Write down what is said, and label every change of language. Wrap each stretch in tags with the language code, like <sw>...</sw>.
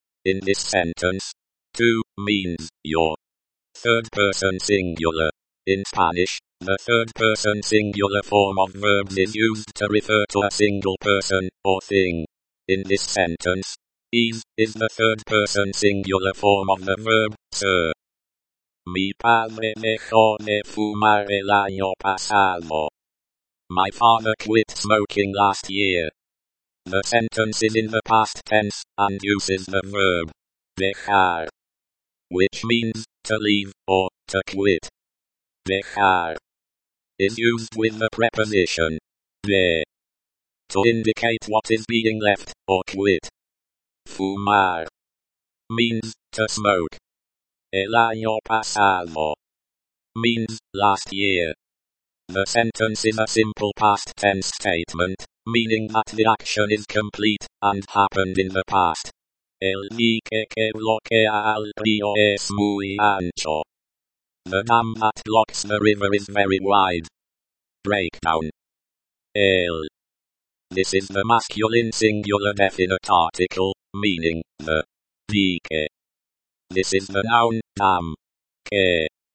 <en>In this sentence, tu means your. Third person singular. In Spanish, the third person singular form of verbs is used to refer to a single person or thing. In this sentence, es is the third person singular form of the verb ser.</en> <es>Mi padre dejó de fumar el año pasado.</es> <en>My father quit smoking last year. The sentence is in the past tense, and uses the verb dejar, which means to leave or to quit.</en> <es>Dejar</es> <en>is used with the preposition de to indicate what is being left or quit.</en> <es>Fumar</es> <en>means to smoke.</en> <es>El año pasado</es> <en>means last year. The sentence is a simple past tense statement, meaning that the action is complete and happened in the past.</en> <es>El dique que bloquea al río es muy ancho.</es> <en>The dam that blocks the river is very wide. Breakdown.</en> <es>El.</es> <en>This is the masculine singular definite article, meaning the</en> <es>dique.</es> <en>This is the noun, dam.</en> <es>Que.</es>